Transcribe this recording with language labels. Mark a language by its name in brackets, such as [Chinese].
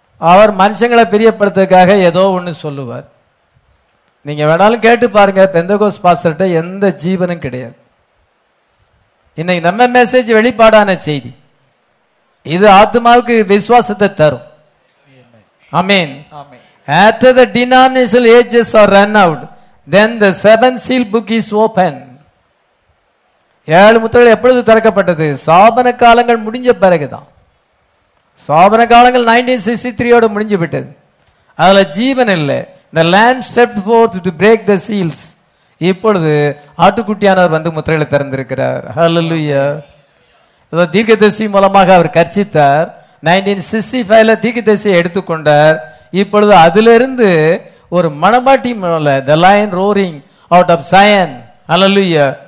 [Tamil] அவர் மனுஷங்களை பிரியப்படுத்துறதுக்காக ஏதோ ஒன்று சொல்லுவார். நீங்க வேணாலும் கேட்டு பாருங்க, பெந்தகோஸ் பாஸ்டர்கிட்ட எந்த ஜீவனும் கிடையாது. இன்னைக்கு நம்ம மெசேஜ் வெளிப்பாடான செய்தி. இது ஆத்மாவுக்கு விசுவாசத்தை தரும். ஆமென். [English] After the denominational ages are run out, then the seven seal book is open. [Tamil] ஏழு முத்திரைகள் எப்பொழுது திறக்கப்பட்டது? சாபன காலங்கள் முடிஞ்ச பிறகுதான். சாபன காலங்கள் 1963 முடிஞ்சு விட்டது. அதுல ஜீவன் இல்லை. [English] The land stepped forth to break the seals. [Tamil] இப்பொழுது ஆட்டுக்குட்டியானவர் வந்து முத்திரைகளை திறந்திருக்கிறார். ஹல்லேலூயா. தீர்க்கதரிசி மூலமாக அவர் கர்ச்சித்தார். 1965 தீர்க்கதரிசி எடுத்துக்கொண்டார். இப்பொழுது அதிலிருந்து ஒரு மனமாட்டி மூலம் [English] The lion roaring out of Zion. [Tamil] Hallelujah.